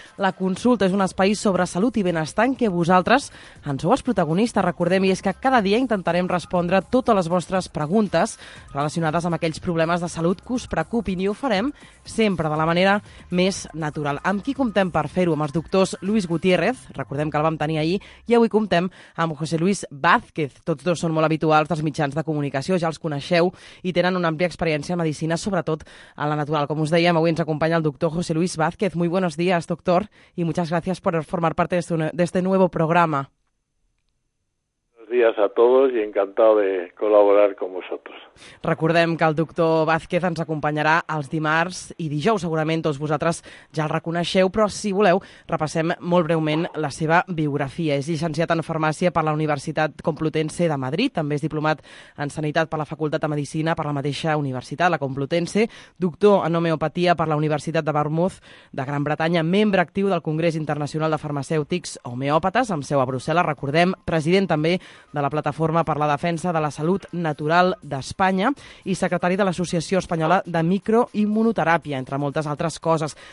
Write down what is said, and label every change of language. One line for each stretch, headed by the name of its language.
Catalan: La Consulta és un espai sobre salut i benestar en què vosaltres en sou els protagonistes, recordem, i és que cada dia intentarem respondre totes les vostres preguntes relacionades amb aquells problemes de salut que us preocupin, i ho farem sempre de la manera més natural. Amb qui comptem per fer-ho? Amb els doctors Luis Gutiérrez, recordem que el vam tenir ahir, i avui comptem amb José Luis Vázquez. Tots dos són molt habituals dels mitjans de comunicació, ja els coneixeu, i tenen una àmplia experiència en medicina, sobretot en la natural. Com us dèiem, avui ens acompanya el doctor José Luis Vázquez.
Spanish: Muy buenos días, doctor, y muchas gracias por formar parte de este nuevo programa. Buenos días a todos y encantado de colaborar con vosotros.
Catalan: Recordem que el doctor Vázquez ens acompanyarà els dimarts i dijous, segurament tots vosaltres ja el reconeixeu, però si voleu repassem molt breument la seva biografia. És llicenciat en farmàcia per la Universitat Complutense de Madrid, també és diplomat en sanitat per la Facultat de Medicina per la mateixa universitat, la Complutense, doctor en homeopatia per la Universitat de Bournemouth de Gran Bretanya, membre actiu del Congrés Internacional de Farmacèutics Homeòpates, amb seu a Brussel·les, recordem, president també de la Plataforma per la Defensa de la Salut Natural d'Espanya i secretari de l'Associació Espanyola de Microimmunoteràpia, entre moltes altres coses.